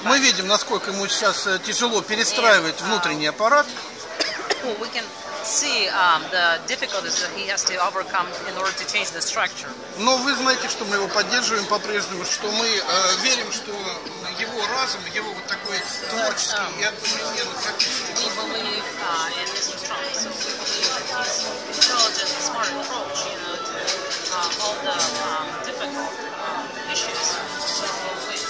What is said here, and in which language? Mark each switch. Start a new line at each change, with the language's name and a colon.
Russian: Мы видим, насколько ему сейчас тяжело перестраивать внутренний аппарат.
English: We can see the difficulties that he has to overcome in order to change the structure.
Russian: Но вы знаете, что мы его поддерживаем по-прежнему, что мы верим, что его разум, его вот такой творческий и одновременно как-то...
English: We believe in Mr. Trump, so we believe that he's intelligent, smart approach, you know, to all the difficult issues.